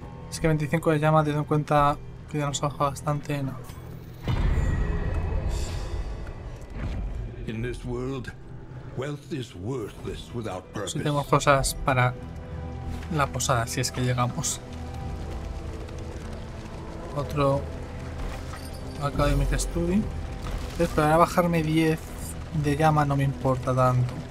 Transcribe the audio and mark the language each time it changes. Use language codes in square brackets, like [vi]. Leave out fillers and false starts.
[es] Es que 25 de llama, teniendo en cuenta que ya nos ha bajado bastante, no. [en] In this world, wealth is worthless without purpose. [es] Sí, tenemos cosas para la posada, si es que llegamos. Otro Academic Study. Pero ahora bajarme 10 de llama no me importa tanto.